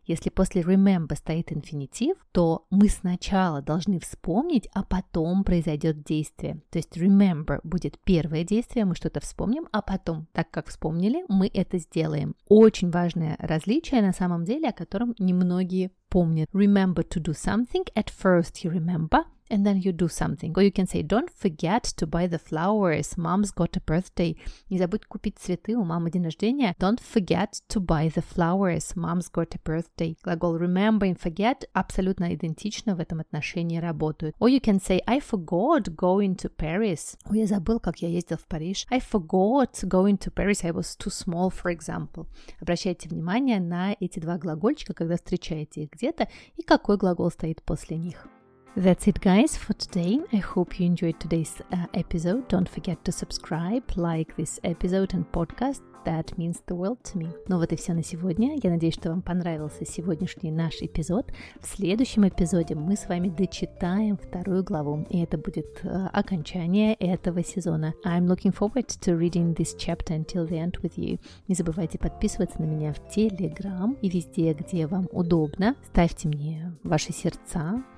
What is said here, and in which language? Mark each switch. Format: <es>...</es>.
<ru>Если после remember стоит инфинитив, то мы сначала должны вспомнить, а потом произойдет действие. То есть remember будет первое действие, мы что-то вспомним, а потом, так как вспомнили, мы это сделаем. Очень важное различие на самом деле, о котором немногие помнят.</ru> <en>Remember to do something. At first you remember, and then you do something. Or you can say, don't forget to buy the flowers. Mom's got a birthday.</en> <ru>Не забудь купить цветы, у мамы день рождения.</ru> <en>Don't forget to buy the flowers. Mom's got a birthday.</en> <ru>Глагол</ru> <en>remember and forget</en> <ru>абсолютно идентично в этом отношении работают.</ru> <en>Or you can say, I forgot going to Paris.</en> <ru>Ой, я забыл, как я ездил в Париж.</ru> <en>I forgot going to Paris. I was too small, for example.</en> <ru>Обращайте внимание на эти два глагольчика, когда встречаете их где-то, и какой глагол стоит после них.</ru> <en>That's it, guys, for today. I hope you enjoyed today's episode. Don't forget to subscribe, like this episode and podcast, that means the world to me.</en> <ru>Ну вот и все на сегодня. Я надеюсь, что вам понравился сегодняшний наш эпизод. В следующем эпизоде мы с вами дочитаем вторую главу, и это будет окончание этого сезона.</ru> <en>I'm looking forward to reading this chapter until the end with you.</en> <ru>Не забывайте подписываться на меня в Telegram и везде, где вам удобно. Ставьте мне ваши сердца.</ru>